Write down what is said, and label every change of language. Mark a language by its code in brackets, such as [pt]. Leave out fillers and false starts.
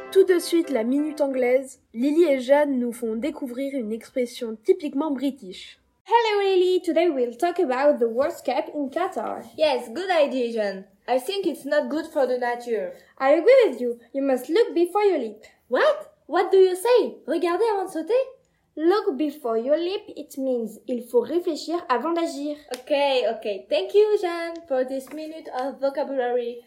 [fr] Ensuite, la minute anglaise, Lily et Jeanne nous font découvrir une expression typiquement british. [en] Hello Lily, today we'll talk about the World Cup in Qatar. Yes, good idea Jeanne. I think it's not good for the nature. I agree with you, you must look before you leap. What? What do you say? [fr] Regardez avant de sauter? [en] Look before you leap, it means [fr] il faut réfléchir avant d'agir. [en] Ok, thank you Jeanne for this minute of vocabulary.